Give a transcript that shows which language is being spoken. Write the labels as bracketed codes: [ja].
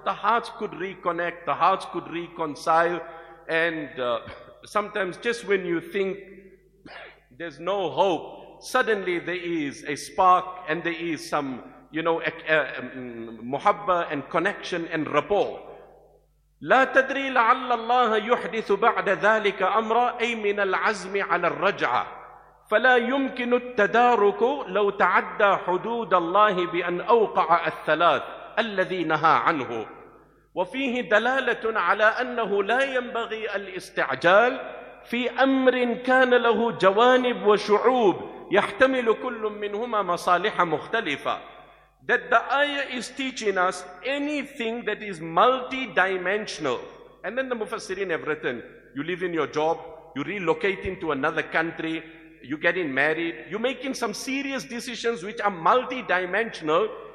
[en] The hearts could reconnect, the hearts could reconcile, and sometimes just when you think there's no hope, suddenly there is a spark and there is some, you know, muhabbah and connection and rapport. [ar] لا تدري لعل الله يحدث بعد ذلك أمرا أي من العزم على الرجعة فلا يمكن التدارك لو تعدى حدود الله بأن أوقع الثلاث الذي نهى عنه. وفيه دلالة على أنه لا ينبغي الاستعجال في أمر كان له جوانب وشعوب يحتمل كل منهما مصالح مختلفة. [en] That the ayah is teaching us anything that is multi-dimensional. And then the Mufassirin have written, you leave in your job, you relocate into another country, you're getting married, you're making some serious decisions which are multi-dimensional.